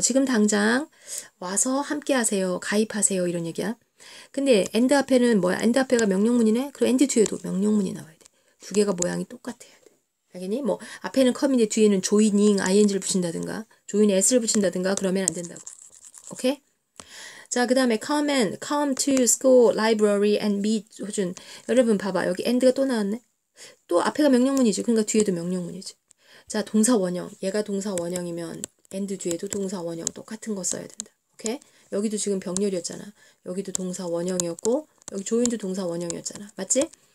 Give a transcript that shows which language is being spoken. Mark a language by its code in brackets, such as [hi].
[ko] 지금 당장 와서 함께 하세요. 가입하세요. 이런 얘기야. 근데 end 앞에는 뭐야? end 앞에가 명령문이네. 그리고 end 뒤에도 명령문이 나와야 돼. 두 개가 모양이 똑같아야 돼. 알겠니? 뭐 앞에는 come인데 뒤에는 joining, ing를 붙인다든가, join s를 붙인다든가 그러면 안 된다고. 오케이? 자, 그다음에 [en] come to school, library and meet 호준. [ko] 여러분 봐봐. 여기 end가 또 나왔네. 또 앞에가 명령문이지. 그러니까 뒤에도 명령문이지. 자, 동사 원형. 얘가 동사 원형이면 end 뒤에도 동사 원형 똑같은 거 써야 된다. 오케이? 여기도 지금 병렬이었잖아. 여기도 동사 원형이었고, 여기 조인도 동사 원형이었잖아. 맞지?